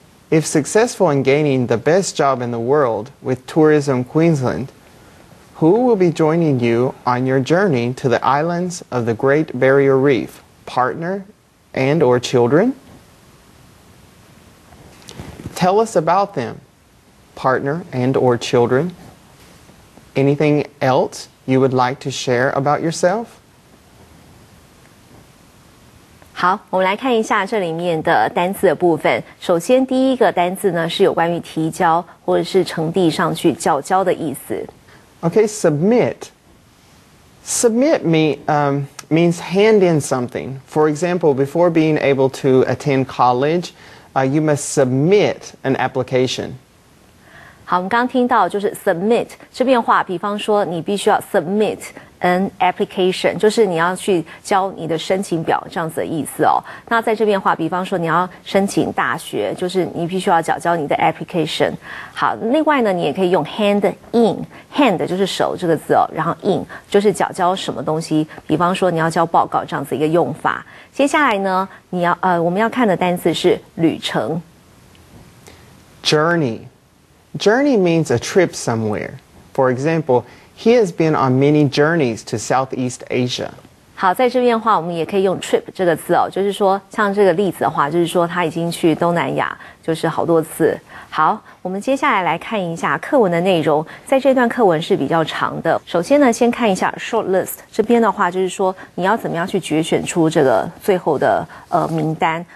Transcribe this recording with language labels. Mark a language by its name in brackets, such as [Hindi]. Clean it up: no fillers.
[English] If successful in gaining the best job in the world with Tourism Queensland, who will be joining you on your journey to the islands of the Great Barrier Reef? Partner and or children? Tell us about them, partner and or children. Anything else you would like to share about yourself? [Chinese] 好，我们来看一下这里面的单字的部分。首先第一个单字呢是有关于提交或者是呈递上去缴交的意思。 [English] Okay, submit. Submit means hand in something. For example, before being able to attend college, you must submit an application. [Chinese] 好，我们刚听到就是 submit 这边话，比方说你必须要 [English] submit an application， [Chinese] 就是你要去交你的申请表这样子的意思哦。那在这边话，比方说你要申请大学，就是你必须要缴交你的 application。好，另外呢，你也可以用 [English] hand in， [Chinese] hand 就是手这个字哦，然后 in 就是缴交什么东西，比方说你要交报告这样子一个用法。接下来呢，你要我们要看的单词是旅程 [English] ，journey。 Journey means a trip somewhere. For example, he has been on many journeys to Southeast Asia. [Chinese] 好，在这边的话，我们也可以用 trip 这个字哦，就是说，像这个例子的话，就是说他已经去东南亚，就是好多次。好，我们接下来来看一下课文的内容。在这段课文是比较长的。首先呢，先看一下 short list 这边的话，就是说你要怎么样去决选出这个最后的名单。